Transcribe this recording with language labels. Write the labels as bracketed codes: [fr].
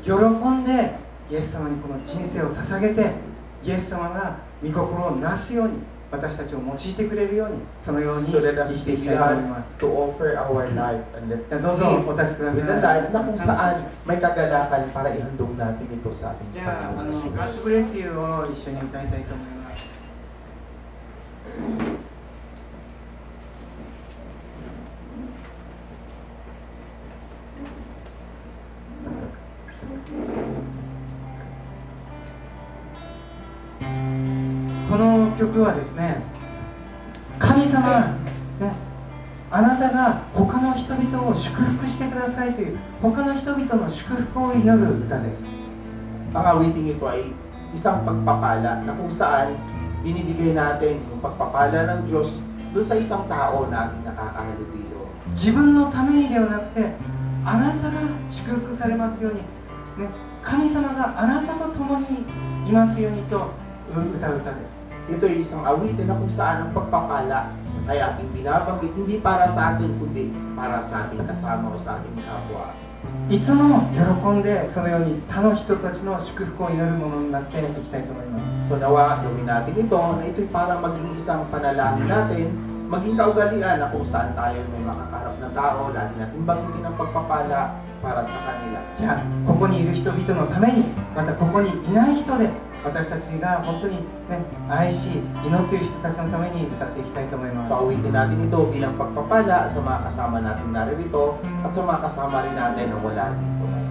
[ja] 喜んでイエス様にこの人生を捧げて、イエス様が御心をなすように、私たちを用いてくれるように、そのように生きていきたいと思います。 [en] To offer our life and let's see. [ja] どうぞお立ちください。 [en] With a life [tl] na kung saan may kagalakan para ihandog natin ito sa ating Panginoon. [ja] じゃあ、God bless you を一緒に歌いたいと思います。この曲はですね、神様、ね、あなたが他の人々を祝福してくださいという、他の人々の祝福を祈る歌です。 [tl] ang awiting ito ay isang pagpapala na kung saan inibigay natin yung pagpapala ng Diyos doon sa isang tao na ating nakakahalubilo. [ja] 自分のためにではなくて、あなたが祝福されますように、ね、神様があなたと共にいますようにと歌う歌です。 [tl] Ito ay isang awit na kung saan ang pagpapala ay ating binabanggit hindi para sa atin kundi para sa ating kasama o sa ating kapwa. [ja] いつも喜んでそのように他の人たちの祝福を祈るものになっていきたいと思います。 [tl] So nawa gawin natin ito na ito'y para maging isang panalangin natin, maging kaugalian na kung saan tayo may makakarap na tao, lagi natin banggitin ang pagpapala para sa kanila. [ja] じゃあここにいる人々のために、またここにいない人で私たちが本当に、ね、愛し祈っている人たちのために歌っていきたいと思います。 [tl] So, awitin natin ito bilang pagpapala sa mga kasama natin narito at sa mga kasama rin natin na wala dito.